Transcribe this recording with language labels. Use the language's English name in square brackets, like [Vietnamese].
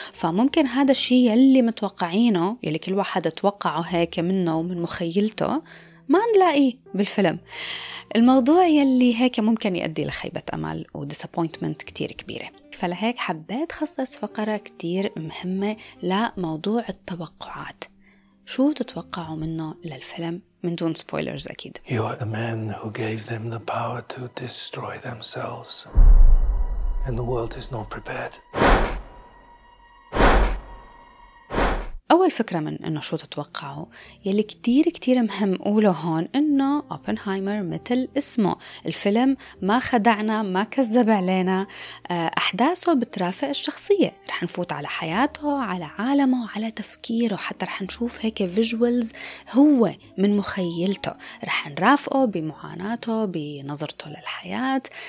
[Arabic] فممكن هذا الشيء يلي متوقعينه يلي كل واحد توقعه هيك منه ومن مخيلته ما نلاقيه بالفيلم، الموضوع يلي هيك ممكن يؤدي لخيبة أمل وديسابوينتمنت كتير كبيرة. فلهيك حبيت خصص فقرة كتير مهمة لموضوع التوقعات، شو تتوقعوا منه للفيلم من دون سبويلرز أكيد. [English] You are the man who gave them the power to destroy themselves and the world is not prepared. [Arabic] أول فكرة من إنه شو تتوقعوا يلي كتير كتير مهم قوله هون، إنه أوبنهايمر مثل اسمه الفيلم ما خدعنا ما كذب علينا، أحداثه بترافق الشخصية، رح نفوت على حياته على عالمه على تفكيره، حتى رح نشوف هيك فيجوالز هو من مخيلته، رح نرافقه بمعاناته بنظرته للحياة.